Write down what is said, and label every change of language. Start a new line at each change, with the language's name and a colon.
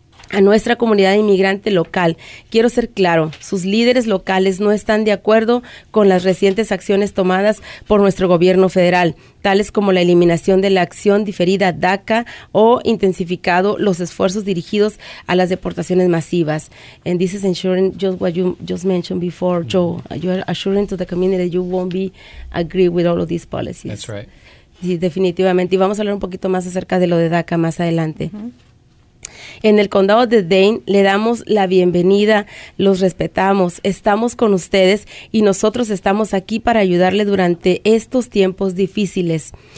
Spanish: A nuestra comunidad inmigrante local, quiero ser claro, sus líderes locales no están de acuerdo con las recientes acciones tomadas por nuestro gobierno federal, tales como la eliminación de la acción diferida DACA o intensificado los esfuerzos dirigidos a las deportaciones masivas.
English: And this is ensuring just what you just mentioned before, Joe. You're assuring to the community that you won't be agree with all of these policies. That's right.
Spanish: Sí, definitivamente. Y vamos a hablar un poquito más acerca de lo de DACA más adelante. En el condado de Dane le damos la bienvenida, los respetamos, estamos con ustedes y nosotros estamos aquí para ayudarle durante estos tiempos difíciles.